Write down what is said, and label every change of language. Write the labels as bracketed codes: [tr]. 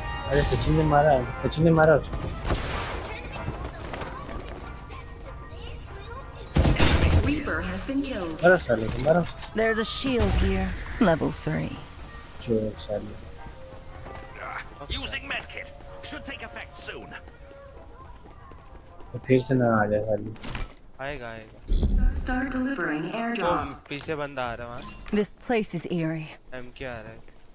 [hi] अरे सचिन ने मारा सचिन ने मारा [en] Reaper has been killed. [hi] अरे साले तो मारा [en] There's a shield here level 3. [hi] जो साले [en] Using medkit should take effect soon. [hi] फिर से ना आ जाए साले आएगा आएगा [en] Start delivering airdrops. [hi] पीछे बंदा आ रहा है [en] This place is eerie. [hi] MK आ रहा है